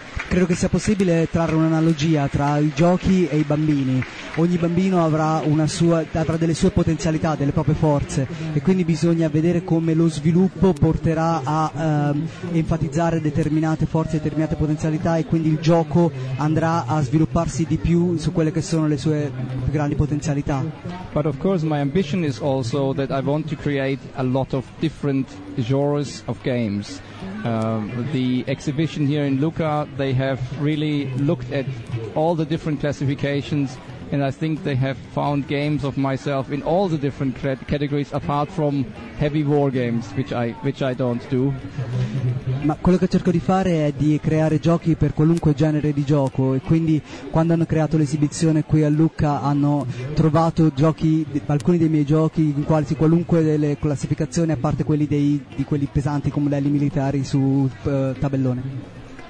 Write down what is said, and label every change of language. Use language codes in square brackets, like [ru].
[it] Credo che sia possibile trarre un'analogia tra i giochi e i bambini. Ogni bambino avrà delle sue potenzialità, delle proprie forze, e quindi bisogna vedere come lo sviluppo porterà a enfatizzare determinate forze, determinate potenzialità, e quindi il gioco andrà a svilupparsi di più su quelle che sono le sue grandi potenzialità. [en] But of course my ambition is also that I want to create a lot of different genres of games. The exhibition here in Lucca, they have really looked at all the different classifications, and I think they have found games of myself in all the different categories apart from heavy war games, which I don't do. [it] Ma quello che cerco di fare è di creare giochi per qualunque genere di gioco, e quindi quando hanno creato l'esibizione qui a Lucca hanno trovato giochi, alcuni dei miei giochi in quasi qualunque delle classificazioni, a parte quelli di quelli pesanti come modelli militari su tabellone.